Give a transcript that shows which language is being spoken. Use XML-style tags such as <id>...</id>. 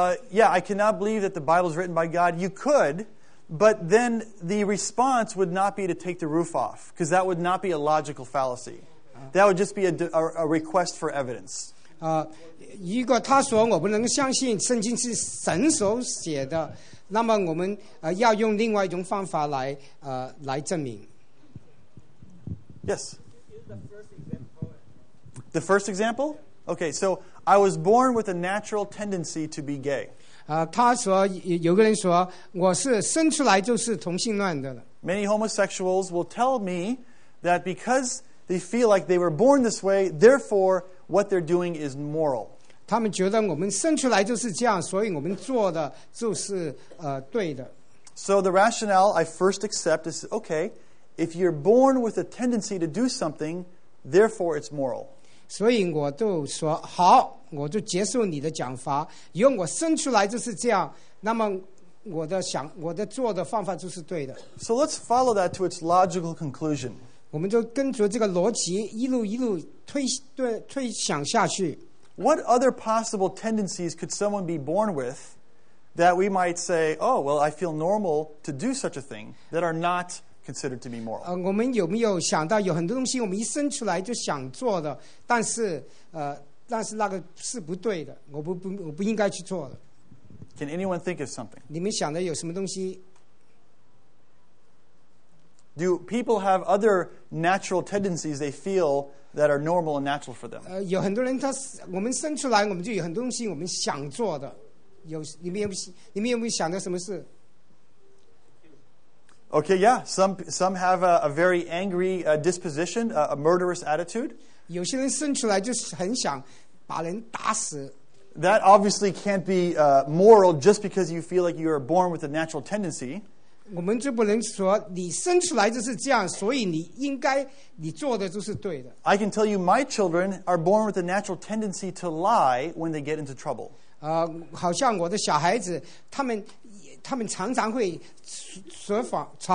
<en>Yeah, I cannot believe that the Bible is written by God. You could, but then the response would not be to take the roof off, because that would not be a logical fallacy. That would just be a request for evidence.</en> <zh>如果他说我不能相信圣经是神所写的，那么我们要用另外一种方法来证明。</zh> <en>Yes. The first example? Okay, so... I was born with a natural tendency to be gay.</en> <zh>他说有个人说我是生出来就是同性恋的了。</zh> <en>Many homosexuals will tell me that because they feel like they were born this way, therefore what they're doing is moral.</en> <zh>他们觉得我们生出来就是这样，所以我们做的就是对的。</zh> <en>So the rationale I first accept is okay. If you're born with a tendency to do something, therefore it's moral.</en> <zh>所以我就说好，我就接受你的讲法。因为我生出来就是这样，那么我的做的方法就是对的。</zh> <en>So let's follow that to its logical conclusion.</en> <zh>我们就跟着这个逻辑一路一路推想下去。</zh> <en>What other possible tendencies could someone be born with that we might say, oh, well, I feel normal to do such a thing that are not considered to be moral.</en> <zh>我们有没有想到有很多东西我们一生出来就想做的，但是那个是不对的，我不应该去做的。</zh> <en>Can anyone think of something?</en> <zh>你们想的有什么东西？</zh> <en>Do people have other natural tendencies they feel that are normal and natural for them?</en> <zh>有很多人他我们生出来我们就有很多东西我们想做的。你们有没有想到什么事？</zh> <en>Okay, yeah, some have a very angry disposition, a murderous attitude.</en> <zh>有些人生出来就是很想把人打死。</zh> <en>That obviously can't be moral just because you feel like you are born with a natural tendency.</en> <zh>我们就不能说你生出来就是这样，所以你应该你做的就是对的。</zh> <en>I can tell you my children are born with a natural tendency to lie when they get into trouble.</en> <zh>好像我的小孩子，他们常常会说谎。</zh>